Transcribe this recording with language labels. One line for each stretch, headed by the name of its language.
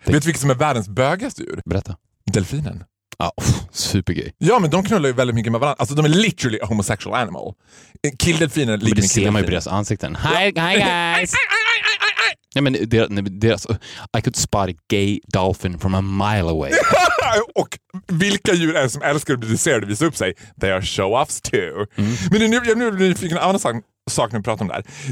Swedish: Vet du vilket som är världens bögaste djur? Berätta. Delfinen. Ja, supergay. Ja, men de knullar ju väldigt mycket med varandra. Alltså, de är
English: literally a homosexual animal.
Swedish: Killdelfinen ligger med killdelfinen. Men det ser man ju på deras ansikten.
English: Hi guys!
Swedish: Nej, men deras...
English: I could spot a gay dolphin from a mile away.
Swedish: Och vilka djur är som älskar att bli dresserade och visa upp sig?
English: They are show-offs too.
Swedish: Mm. Men nu fick en annan sak när vi pratar om det här.